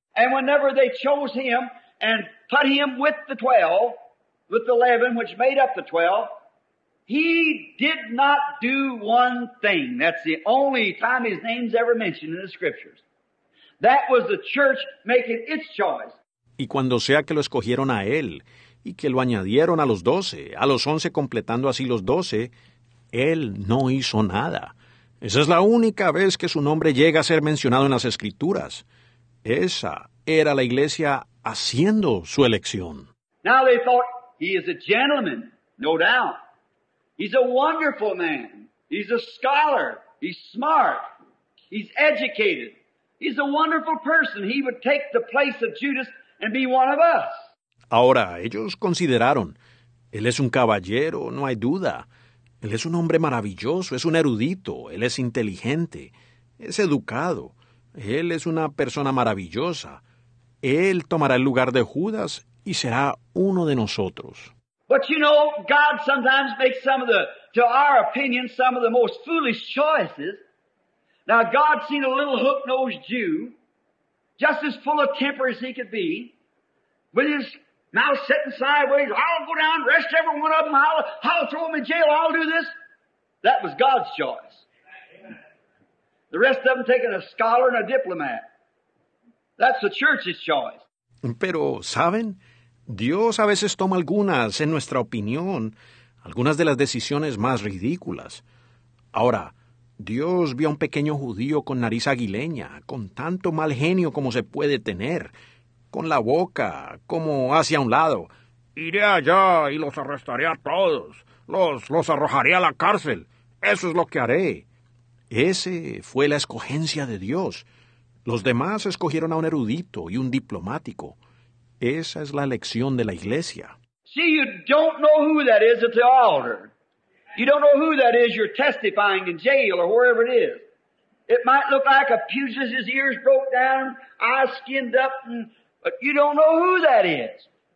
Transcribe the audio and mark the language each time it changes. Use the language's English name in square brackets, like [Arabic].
[English] And whenever they chose him and put him with the 12, with the 11, which made up the 12, he did not do one thing. That's the only time his name's ever mentioned in the scriptures. That was the church making its choice. [Spanish] Y cuando sea que lo escogieron a él, y que lo añadieron a los 12, a los 11 completando así los 12, él no hizo nada. Esa es la única vez que su nombre llega a ser mencionado en las Escrituras. Esa era la iglesia haciendo su elección. [English] Now they thought, he is a gentleman, no doubt. He's a wonderful man. He's a scholar. He's smart. He's educated. He's a wonderful person. He would take the place of Judas and be one of us. [Spanish] Ahora, ellos consideraron, él es un caballero, no hay duda. Él es un hombre maravilloso, es un erudito, él es inteligente, es educado. Él es una persona maravillosa. Él tomará el lugar de Judas y será uno de nosotros. [English] But you know, God sometimes makes some of the, to our opinion, some of the most foolish choices. Now, God seen a little hook-nosed Jew, just as full of temper as he could be, with his now sitting sideways, I'll go down, arrest every one of them, I'll throw them in jail, I'll do this. That was God's choice. The rest of them taking a scholar and a diplomat. That's the church's choice. [Spanish] Pero, ¿saben? Dios a veces toma algunas, en nuestra opinión, algunas de las decisiones más ridículas. Ahora, Dios vio a un pequeño judío con nariz aguileña, con tanto mal genio como se puede tener, con la boca, como hacia un lado. Iré allá y los arrestaré a todos. Los arrojaré a la cárcel. Eso es lo que haré. Ese fue la escogencia de Dios. Los demás escogieron a un erudito y un diplomático. Esa es la elección de la iglesia. [English] See, you don't know who that is at the altar. You don't know who that is you're testifying in jail or wherever it is. It might look like a pugilist, his ears broke down, eyes skinned up, and but you don't know who that is.